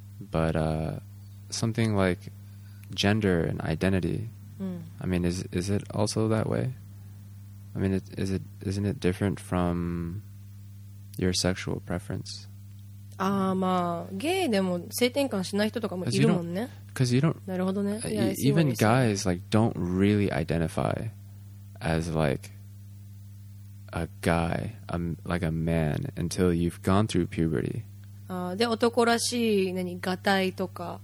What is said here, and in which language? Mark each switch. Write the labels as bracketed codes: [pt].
[en] But something like gender and identity. I mean, is it also that way? I mean, isn't it different from your sexual preference? [ja] Ah, まあ、ゲイでも性転換しない人とかもいるもんね。 [en] Because you don't. [ja] なるほどね。 [en] Even guys like don't really identify as like a guy, like a man, until you've gone through puberty. [ja] Ah, で男らしい何がたいとか。